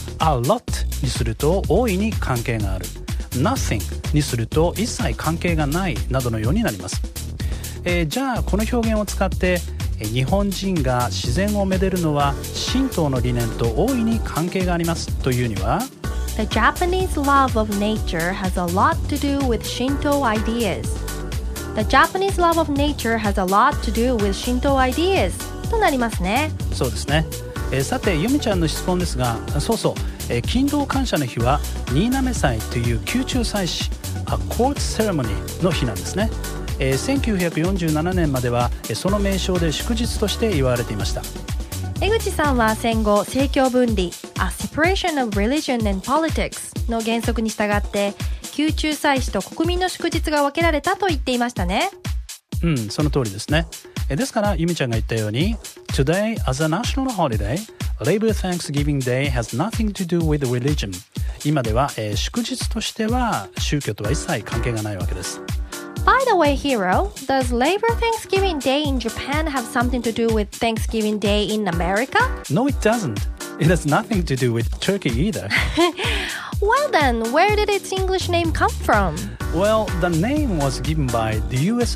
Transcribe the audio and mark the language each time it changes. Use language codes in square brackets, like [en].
[ja] A lot にすると大いに関係がある、 Nothing にすると一切関係がないなどのようになります、じゃあこの表現を使って日本人が自然をめでるのは神道の理念と大いに関係がありますというには、 [en] The Japanese love of nature has a lot to do with Shinto ideas. The Japanese love of nature has a lot to do with Shinto ideas. [ja] となりますね。そうですね。さて、ユミちゃんの質問ですが、そうそう、勤労感謝の日はニーナメ祭という宮中祭祀、A court ceremony の日なんですね。 1947年まではその名称で祝日として言われていました。江口さんは戦後、政教分離 [en] A separation of religion and politics [ja] の原則に従って宮中祭祀と国民の祝日が分けられたと言っていましたね。うん、その通りですね。ですから由美ちゃんが言ったように、 [en] Today as a national holiday Labor Thanksgiving Day has nothing to do with religion。 [ja] 今では、祝日としては宗教とは一切関係がないわけです。 [en] By the way, Hiro, does Labor Thanksgiving Day in Japan have something to do with Thanksgiving Day in America? No, it doesn't. It has nothing to do with Turkey either. Well then, where did its English name come from? Well, the name was given by the U.S.